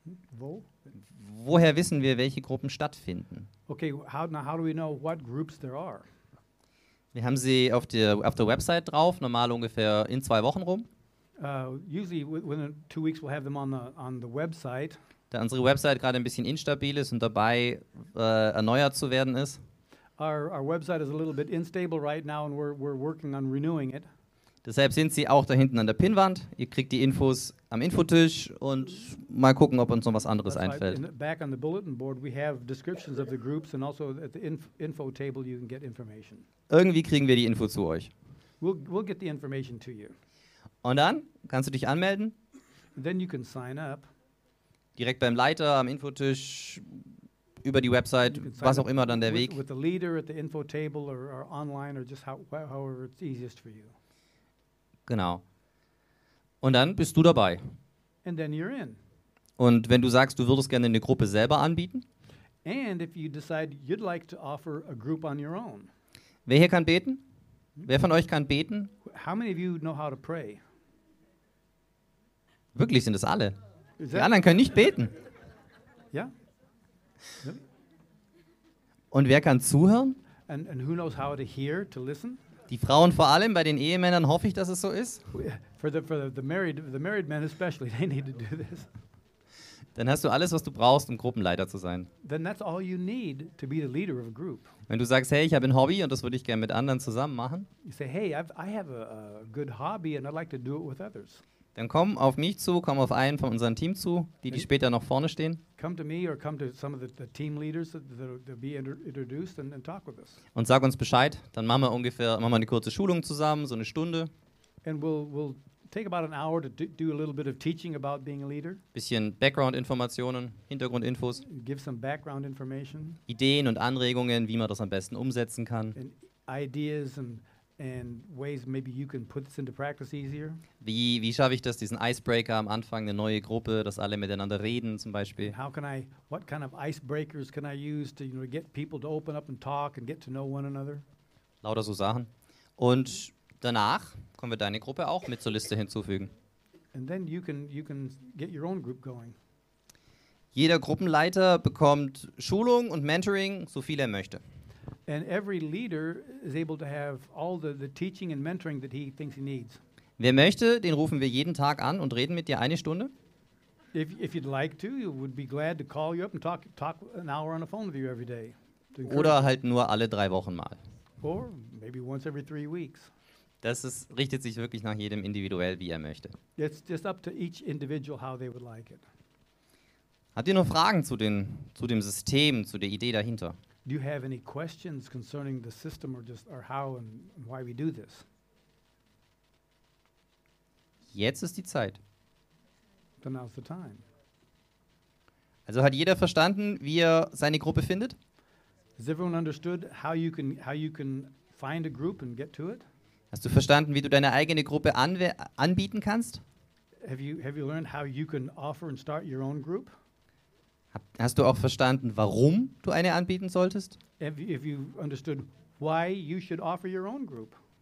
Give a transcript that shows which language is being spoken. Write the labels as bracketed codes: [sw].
[de] Wo? Woher wissen wir, welche Gruppen stattfinden? [en] Okay, how do we know what groups there are? [de] Wir haben sie auf der Website drauf, normal ungefähr in 2 Wochen rum. [en] Usually within 2 weeks we'll have them on the website. [de] Da unsere Website gerade ein bisschen instabil ist und dabei erneuert zu werden ist. [en] Our website is a little bit instable right now and we're working on renewing it. [de] Deshalb sind sie auch da hinten an der Pinnwand. Ihr kriegt die Infos am Infotisch und mal gucken, ob uns noch was anderes einfällt. [en] Back on the bulletin board we have descriptions of the groups and also at the info table you can get information. [de] Irgendwie kriegen wir die Info zu euch. [en] We'll get the information to you. [de] Und dann kannst du dich anmelden. [en] Then you can sign up. [de] Direkt beim Leiter, am Infotisch, über die Website, was auch immer dann der Weg. [en] With the leader at the info table or online or just however it's easiest for you. [de] Genau. Und dann bist du dabei. [en] And then you're in. [de] Und wenn du sagst, du würdest gerne eine Gruppe selber anbieten. [en] And if you decide you'd like to offer a group on your own. [de] Wer hier kann beten? Wer von euch kann beten? [en] How many of you know how to pray? [de] Wirklich sind es alle. Die anderen können nicht beten. Ja. Und wer kann zuhören? [en] And who knows how to hear, to listen? [de] Die Frauen vor allem, bei den Ehemännern hoffe ich, dass es so ist. [en] For the married men especially, they need to do this. [de] Dann hast du alles, was du brauchst, um Gruppenleiter zu sein. [en] Then that's all you need to be the leader of a group. [de] Wenn du sagst, hey, ich habe ein Hobby und das würde ich gerne mit anderen zusammen machen. [en] You say, hey, I have a good hobby and I'd like to do it with others. [de] Dann komm auf mich zu, komm auf einen von unserem Team zu, die später noch vorne stehen. [en] Come to me or come to some of the team leaders that be introduced and talk with us. [de] Und sag uns Bescheid, dann machen wir eine kurze Schulung zusammen, so eine Stunde. [en] And we'll take about an hour to do a little bit of teaching about being a leader. [de] Bisschen Background-Informationen, Hintergrundinfos. [en] Give some background information. [de] Ideen und Anregungen, wie man das am besten umsetzen kann. [en] And ideas and ways maybe you can put this into practice easier. [de] Wie schaffe ich das, diesen Icebreaker am Anfang, eine neue Gruppe, dass alle miteinander reden zum Beispiel? [en] How can I, what kind of icebreakers can I use to, you know, get people to open up and talk and get to know one another? [de] Lauter so Sachen. Und danach können wir deine Gruppe auch mit zur Liste hinzufügen. [en] And then you can get your own group going. [de] Jeder Gruppenleiter bekommt Schulung und Mentoring, so viel er möchte. [en] And every leader is able to have all the teaching and mentoring that he thinks he needs. [de] Wer möchte, den rufen wir jeden Tag an und reden mit dir eine Stunde. [en] If you'd like to, you would be glad to call you up and talk an hour on the phone with you every day. [de] Oder halt nur alle drei Wochen mal. [en] Or maybe once every 3 weeks. [de] Das ist, richtet sich wirklich nach jedem individuell, wie er möchte. [en] It's just up to each individual how they would like it. [de] Habt ihr noch Fragen zu dem System, zu der Idee dahinter? [en] Do you have any questions concerning the system or just or how and why we do this? [de] Jetzt ist die Zeit. [en] So now's the time. [de] Also hat jeder verstanden, wie er seine Gruppe findet? [en] Has everyone understood how you can find a group and get to it? [de] Hast du verstanden, wie du deine eigene Gruppe anbieten kannst? [en] Have you learned how you can offer and start your own group? [de] Hast du auch verstanden, warum du eine anbieten solltest? [en] Have you understood why you should offer your own group?